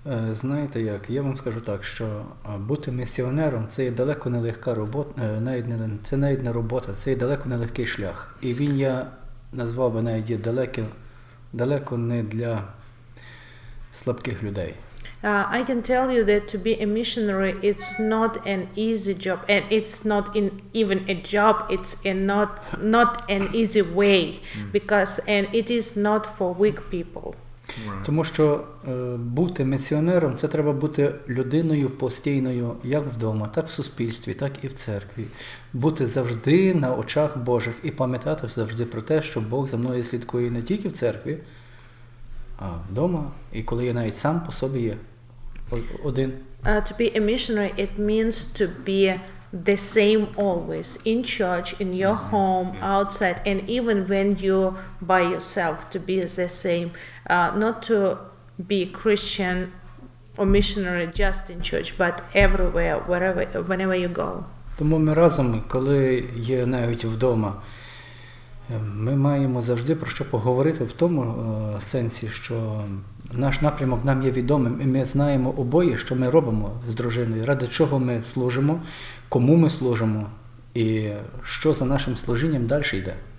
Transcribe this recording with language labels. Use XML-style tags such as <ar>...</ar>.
<uk>Знаєте як, я вам скажу так, що бути місіонером – це є далеко не легка робота, це є далеко не легкий шлях. І він, я назвав би, навіть далеко не для слабких людей.</uk> <en>I can tell you that to be a missionary, it's not an easy job, and it's not even a job, it's not an easy way, because, and it is not for weak people.</en> <uk>Тому що бути місіонером, це треба бути людиною постійною, як вдома, так в суспільстві, так і в церкві. Бути завжди на очах Божих і пам'ятати завжди про те, що Бог за мною слідкує не тільки в церкві, а вдома, і коли я навіть сам по собі є.</uk> <en>To be a missionary, it means to be the same always, in church, in your mm-hmm. home, yeah. outside, and even when you're by yourself, to be the same. Not to be Christian or missionary just in church, but everywhere, wherever, whenever you go.</en> <uk>Тому ми разом, коли є навіть вдома, ми маємо завжди про що поговорити в тому сенсі, що наш напрямок нам є відомим, і ми знаємо обоє, що ми робимо з дружиною, ради чого ми служимо, кому ми служимо, і що за нашим служінням далі йде.</uk>